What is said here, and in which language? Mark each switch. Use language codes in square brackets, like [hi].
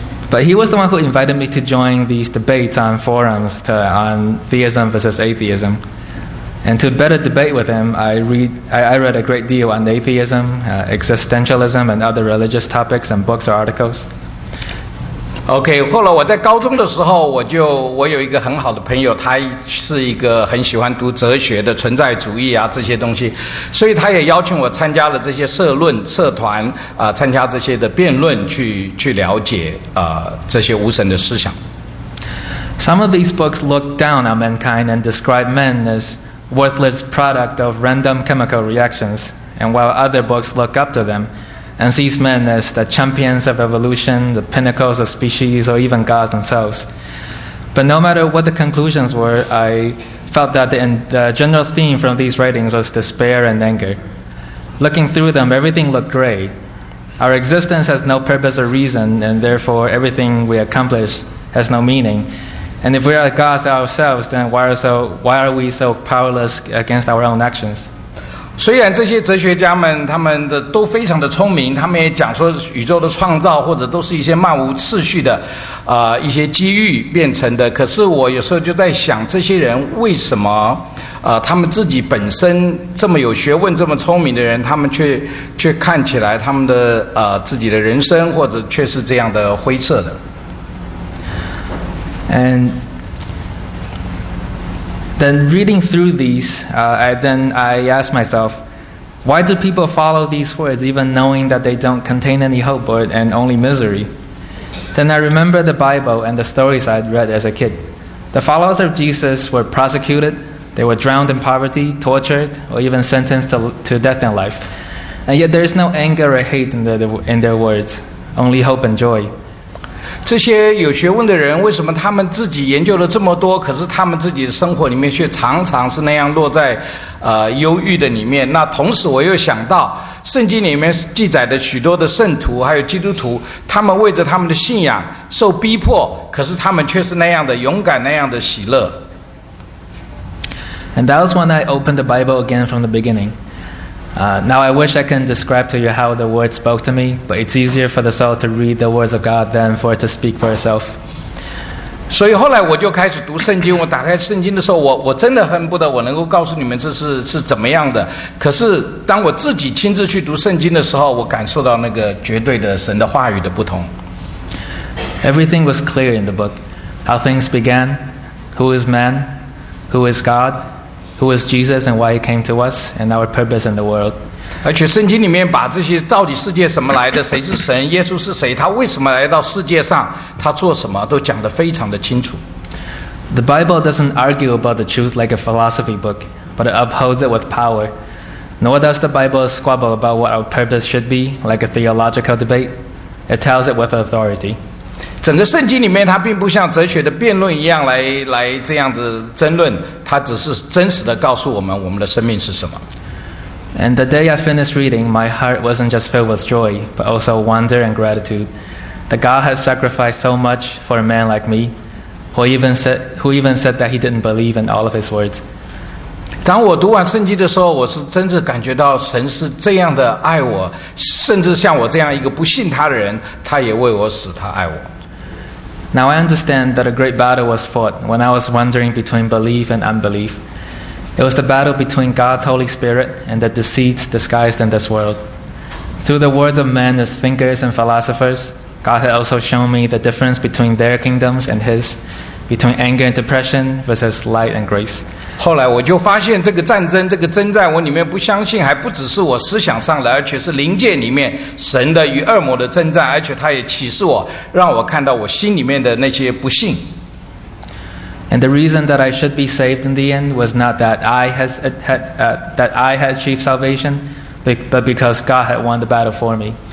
[en] But he was the one who invited me to join these debates on forums on theism versus atheism. And to better debate with him, I read a great deal on atheism, existentialism, and other religious topics and books or articles. [zh] OK， 后来我在高中的时候，我有一个很好的朋友，他是一个很喜欢读哲学的存在主义啊这些东西，所以他也邀请我参加了这些社论社团啊、参加这些的辩论去了解啊、这些无神的思想。 [en] Some of these books look down on mankind and describe men as worthless product of random chemical reactions, and while other books look up to them. And sees men as the champions of evolution, the pinnacles of species, or even gods themselves. But no matter what the conclusions were, I felt that the general theme from these writings was despair and anger. Looking through them, everything looked gray. Our existence has no purpose or reason, and therefore everything we accomplish has no meaning. And if we are gods ourselves, then why are we so powerless against our own actions? [zh] 虽然这些哲学家们他们的都非常的聪明，他们也讲说宇宙的创造或者都是一些漫无次序的一些机遇变成的，可是我有时候就在想，这些人为什么他们自己本身这么有学问这么聪明的人，他们却看起来他们的自己的人生或者却是这样的灰色的。 [en] andThen reading through these, I asked myself, why do people follow these words even knowing that they don't contain any hope or, and only misery? Then I remember the Bible and the stories I'd read as a kid. The followers of Jesus were prosecuted, they were drowned in poverty, tortured, or even sentenced to death and life. And yet there is no anger or hate in their words, only hope and joy. [zh] 这些有学问的人为什么他们自己研究了这么多，可是他们自己的生活里面却常常是那样落在忧郁的里面。那同时我又想到圣经里面记载的许多的圣徒还有基督徒，他们为着他们的信仰受逼迫，可是他们却是那样的勇敢，那样的喜乐。 [en] And that was when I opened the Bible again from the beginning. Now I wish I can describe to you how the word spoke to me, but it's easier for the soul to read the words of God than for it to speak for itself. [zh] 所以后来我就开始读圣经，我打开圣经的时候，我真的恨不得我能够告诉你们这是怎么样的。可是当我自己亲自去读圣经的时候，我感受到那个绝对的神的话语的不同。 [en] Everything was clear in the book. How things began, who is man, who is God,Who is Jesus and why he came to us and our purpose in the world. [zh] 而且圣经里面把这些到底世界什么来的，谁是神，耶稣是谁，他为什么来到世界上，他做什么，都讲得非常的清楚。 [en] The Bible doesn't argue about the truth like a philosophy book, but it upholds it with power. Nor does the Bible squabble about what our purpose should be like a theological debate. It tells it with authority. [zh] 整个圣经里面它并不像哲学的辩论一样 来这样子争论，它只是真实的告诉我们的生命是什么。 [en] And the day I finished reading, my heart wasn't just filled with joy, but also wonder and gratitude that God has sacrificed so much for a man like me, who even said that he didn't believe in all of his words. [zh] 当我读完圣经的时候，我是真的感觉到神是这样的爱我，甚至像我这样一个不信他的人，他也为我死，他爱我。 [en] Now I understand that a great battle was fought when I was wandering between belief and unbelief. It was the battle between God's Holy Spirit and the deceits disguised in this world. Through the words of men as thinkers and philosophers, God had also shown me the difference between their kingdoms and His, between anger and depression versus light and grace. [zh] 后来我就发现这个战争，这个征战，我里面不相信，还不只是我思想上的，而且是灵界里面神的与恶魔的征战，而且他也启示我，让我看到我心里面的那些不幸。 [en] And the reason that I should be saved in the end was not that I had achieved salvation, but because God had won the battle for me.